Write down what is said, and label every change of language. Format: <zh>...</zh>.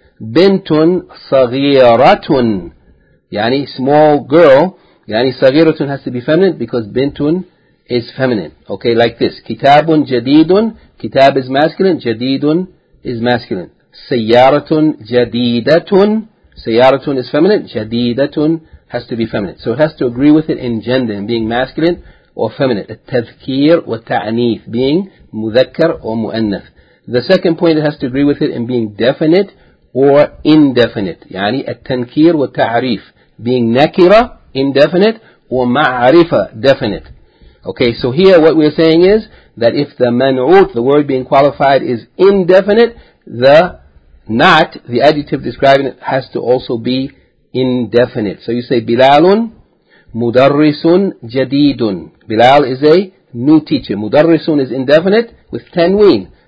<ar>بنتٌ صغيرةٌ,</ar> <en>يعني small girl, يعني صغيرةٌ has to be feminine because بنتٌ is feminine. Okay, like this.</en> <ar>كتابٌ جديدٌ,</ar> <en>كتاب is masculine, جديدٌ is masculine.</en> <ar>سيارةٌ جديدةٌ,</ar> <en>سيارةٌ is feminine, جديدةٌ has to be feminine. So it has to agree with it in gender and being masculine or feminine.</en> <ar>التذكير والتعنيث, being مذكر or مؤنث.</ar> <en>The second point, it has to agree with it in being definite or indefinite.</en> <ar>يعني التنكير والتعريف, being نكرة, indefinite, or معرفة, definite.</ar> <en>Okay, so here what we're saying is that if the man'ut, the word being qualified, is indefinite, the not, the adjective describing it, has to also be indefinite. So you say</en> <ar>بلالٌ مدرسٌ جديدٌ.</ar> <en>Bilal is a new teacher. Mudarrisun is indefinite with tanween.</en>